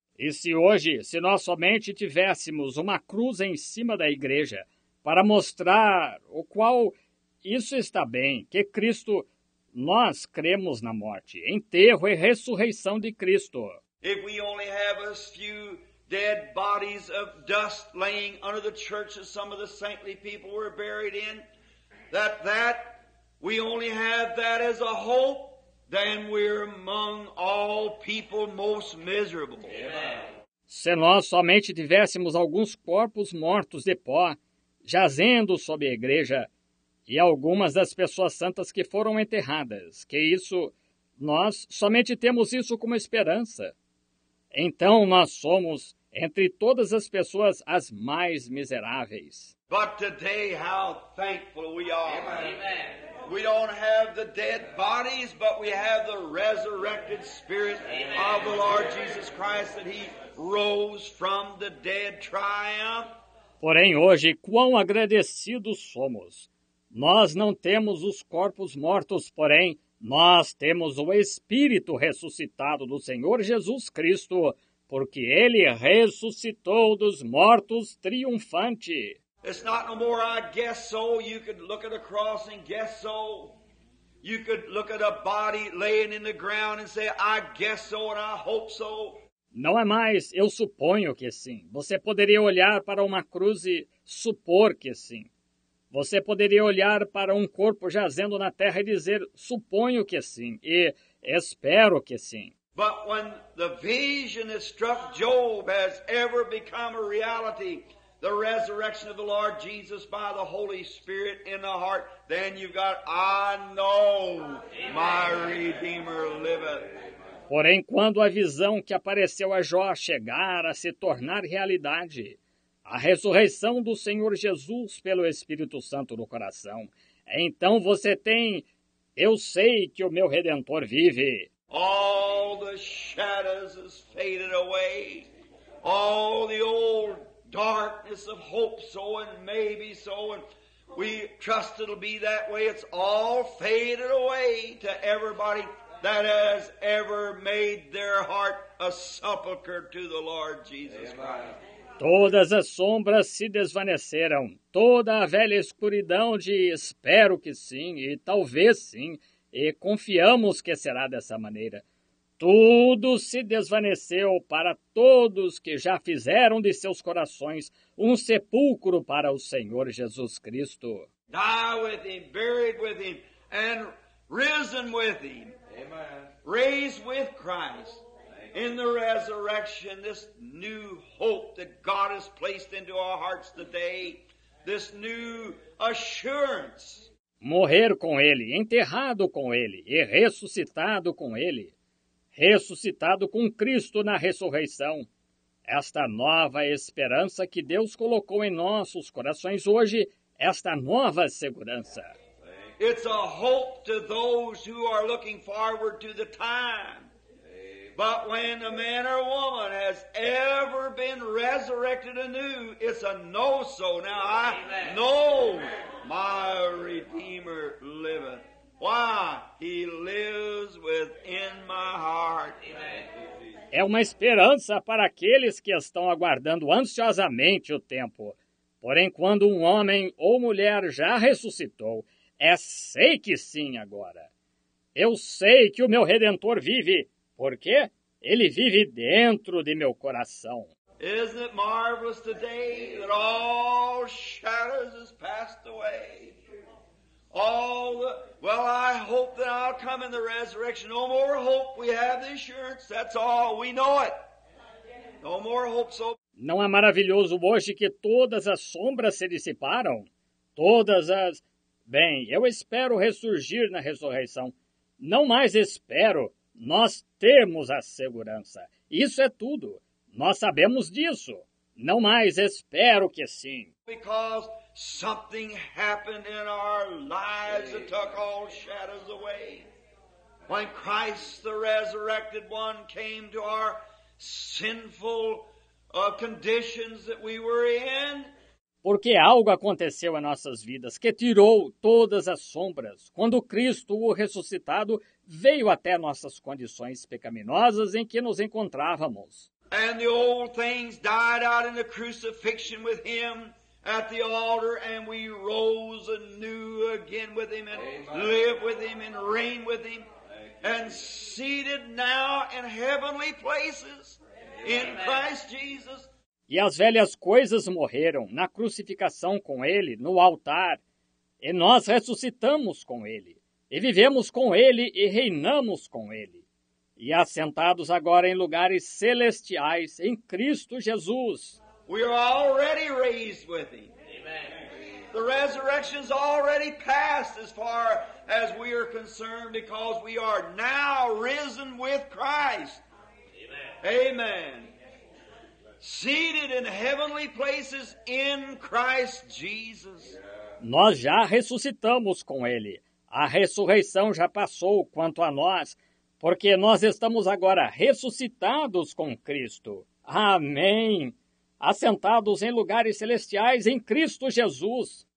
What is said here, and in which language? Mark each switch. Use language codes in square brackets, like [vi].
[pt] E se hoje, se nós somente tivéssemos uma cruz em cima da igreja para mostrar o qual isso está bem, que Cristo, nós cremos na morte, enterro e ressurreição de Cristo. [en] If we only have a few dead bodies of dust laying under the church that some of the saintly people were buried in, that we only have that as a hope, then we're among all people most miserable. [pt] Se nós somente tivéssemos alguns corpos mortos de pó, jazendo sob a igreja, e algumas das pessoas santas que foram enterradas, que isso, nós somente temos isso como esperança, então nós somos, entre todas as pessoas, as mais miseráveis. [en] But today, how thankful we are. Amen. We don't have the dead bodies, but we have the resurrected spirit. Amen. Of the Lord Jesus Christ, that he rose from the dead triumph. [pt] Porém, hoje, quão agradecidos somos. Nós não temos os corpos mortos, porém, nós temos o Espírito ressuscitado do Senhor Jesus Cristo, porque ele ressuscitou dos mortos triunfante. [en] It's not no more I guess so. You could look at a cross and guess so. You could look at a body laying in the ground and say, I guess so and I hope so. [pt] Não é mais eu suponho que sim. Você poderia olhar para uma cruz e supor que sim. Você poderia olhar para um corpo jazendo na terra e dizer, suponho que sim e espero que sim. [en] But when the vision that struck Job has ever become a reality, the resurrection of the Lord Jesus by the Holy Spirit in the heart, then you've got, I know my Redeemer liveth. [pt] Porém, quando a visão que apareceu a Jó chegar a se tornar realidade, a ressurreição do Senhor Jesus pelo Espírito Santo no coração, então você tem, eu sei que o meu Redentor vive. [en] All the shadows has faded away. All the old darkness of hope so and maybe so, and we trust it'll be that way. It's all faded away to everybody that has ever made their heart a sepulcher to the Lord Jesus Christ. [pt] Todas as sombras se desvaneceram, toda a velha escuridão de espero que sim e talvez sim, e confiamos que será dessa maneira. Tudo se desvaneceu para todos que já fizeram de seus corações um sepulcro para o Senhor Jesus Cristo. [en] Die with him, buried with him, and risen with him. Amen. Raised with Christ. In the resurrection, this new hope that God has placed into our hearts today, this new assurance. [pt] Morrer com ele, enterrado com ele e ressuscitado com ele. Ressuscitado com Cristo na ressurreição. Esta nova esperança que Deus colocou em nossos corações hoje, esta nova segurança. [en] It's a hope to those who are looking forward to the time. But when a man or woman has ever been resurrected anew, it's a no-so. Now I know my Redeemer liveth. Why? He lives within my heart. [pt] É uma esperança para aqueles que estão aguardando ansiosamente o tempo. Porém, quando um homem ou mulher já ressuscitou, é sei que sim agora. Eu sei que o meu Redentor vive. Por quê? Ele vive dentro de meu coração. [en] Isn't it marvelous today that all shadows has passed away? I hope that I'll come in the resurrection. No more hope. We have the assurance. That's all. We know it. No more hope. So. [pt] Não é maravilhoso hoje que todas as sombras se dissiparam? Todas as... Bem, eu espero ressurgir na ressurreição. Não mais espero. Nós temos a segurança. Isso é tudo. Nós sabemos disso. Não mais espero que sim. [en] Because something happened in our lives that took all shadows away. When Christ the resurrected one came to our sinful conditions that we were in. [pt] Porque algo aconteceu em nossas vidas que tirou todas as sombras quando Cristo, o ressuscitado, veio até nossas condições pecaminosas em que nos encontrávamos. [en] And the old things died out in the crucifixion with him at the altar, and we rose anew again with him and live with him and reign with him and seated now in heavenly places in Christ Jesus. [pt] E as velhas coisas morreram na crucificação com ele no altar, e nós ressuscitamos com ele, e vivemos com ele e reinamos com ele. E assentados agora em lugares celestiais em Cristo Jesus. [en] We are already raised with him. The resurrection is already passed as far as we are concerned, because we are now risen with Christ. Amen. Seated in heavenly places in Christ Jesus. [pt] Nós já ressuscitamos com ele. A ressurreição já passou quanto a nós, porque nós estamos agora ressuscitados com Cristo. Amém. Assentados em lugares celestiais em Cristo Jesus.